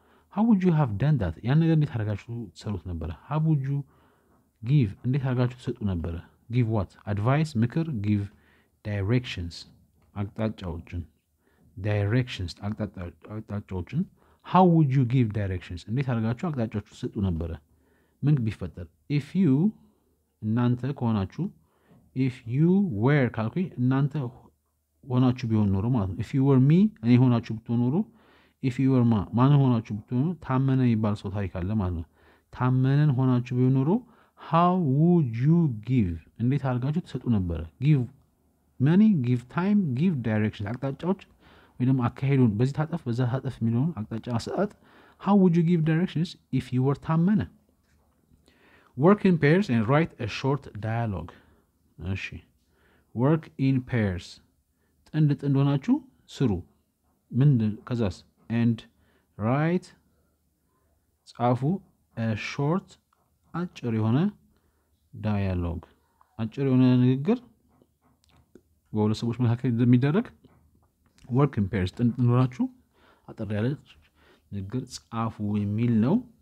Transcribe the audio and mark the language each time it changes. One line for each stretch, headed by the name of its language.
English: how would you have done that
Amharic: ያን ነገር እንዴት አደረጋችሁ ሰሩት ነበረ?
English: how would you give
Amharic: እንዴት አደረጋችሁ ሰጡ ነበረ?
English: give what advice ምክር give directions አቅጣጫዎችን directions አቅጣጫዎችን how would you give directions
Amharic: እንዴት አደረጋችሁ አቅጣጫዎችን ሰጡ ነበረ? ምን ቢፈጠር
English: if you
Amharic: እናንተ ከሆናችሁ
English: if you were
Amharic: ካልኩ እናንተ ሆናችሁ ቢሆን ኖሮ ማለት ነው።
English: if you were me
Amharic: እኔ ሆናችሁ ብትሆን ኖሮ if you were ማን ሆናችሁ ብትሆኑ ታመነ የሚባል ሰው ታሪክ አለ ማለት ነው። ታመነን ሆናችሁ ቢሆን ኖሮ
English: how would you give
Amharic: እንዴት አድርጋችሁ ትሰጡ ነበረ?
English: give money give time give direction
Amharic: አቅጣጫዎች ወይንም አካሄዱን በዚህ ታጠፍ በዛ ታጠፍ የሚለውን አቅጣጫ አሰጣጥ
English: how would you give directions if you were ታመነ? work in pairs and write a short dialogue
Amharic: እሺ
English: work in pairs
Amharic: ጥንድ ጥንድ ሆናችሁ ስሩ ምን ከዛስ
English: and write
Amharic: ጻፉ
English: a short
Amharic: አጭር የሆነ ዳያሎግ አጭር የሆነ ንግግር በሁለት ሰዎች መካከል የሚደረግ work in pairs ጥንድ ጥንድ ሆናችሁ አጠር ያለ ንግግር ጻፉ የሚል ነው።